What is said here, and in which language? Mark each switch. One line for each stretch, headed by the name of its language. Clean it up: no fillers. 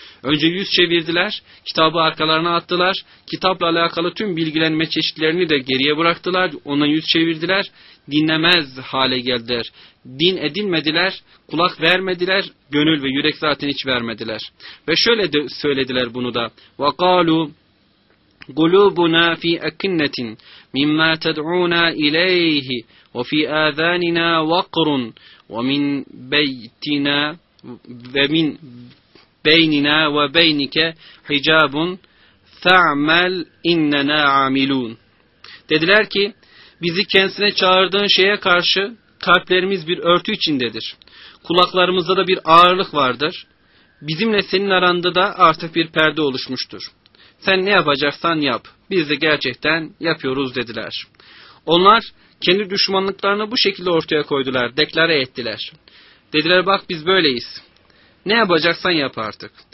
Turkish: Önce yüz çevirdiler, kitabı arkalarına attılar, kitapla alakalı tüm bilgilenme çeşitlerini de geriye bıraktılar, ona yüz çevirdiler, dinlemez hale geldiler. Din edinmediler, kulak vermediler, gönül ve yürek zaten hiç vermediler. Ve şöyle de söylediler bunu da.
Arabic: وَقَالُوا قُلُوبُنَا فِي أَكِنَّةٍ مِمَّا تَدْعُونَا اِلَيْهِ وَفِي آذَانِنَا وَقْرٌ وَمِنْ بَيْتِنَا وَمِنْ بَيْنِنَا وَبَيْنِكَ حِجَابٌ فَعْمَلْ اِنَّنَا عَمِلُونَ
Turkish: Dediler ki, bizi kendisine çağırdığın şeye karşı kalplerimiz bir örtü içindedir. Kulaklarımızda da bir ağırlık vardır. Bizimle senin aranda da artık bir perde oluşmuştur. Sen ne yapacaksan yap, biz de gerçekten yapıyoruz dediler. Onlar kendi düşmanlıklarını bu şekilde ortaya koydular, deklare ettiler. Dediler bak biz böyleyiz, ne yapacaksan yap artık.